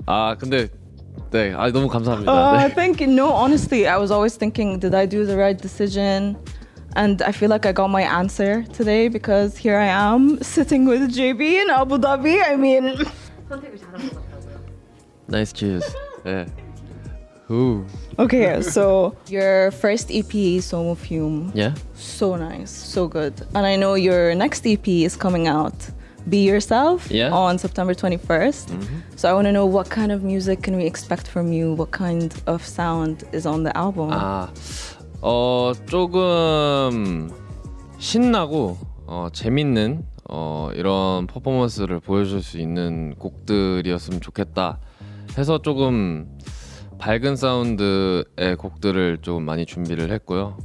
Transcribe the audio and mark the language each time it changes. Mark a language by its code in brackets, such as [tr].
[ko] 아 근데 네, 아 너무 감사합니다. 네. [en] Thank you. No, honestly, I was always thinking, did I do the right decision? And I feel like I got my answer today because here I am sitting with JB in Abu Dhabi. I mean, [ko] 선택을 잘한 것 같다고요. [en] Nice cheers. 예. 후. Okay, so your first EP, Somo Fume. Yeah. So nice, so good. And I know your next EP is coming out. Be Yourself, yeah. On September 21st. Mm-hmm. So I want to know what kind of music can we expect from you? What kind of sound is on the album? [ko] 아, 어 조금 신나고 어 재밌는 어 이런 퍼포먼스를 보여줄 수 있는 곡들이었으면 좋겠다 해서 조금 밝은 사운드의 곡들을 좀 많이 준비를 했고요.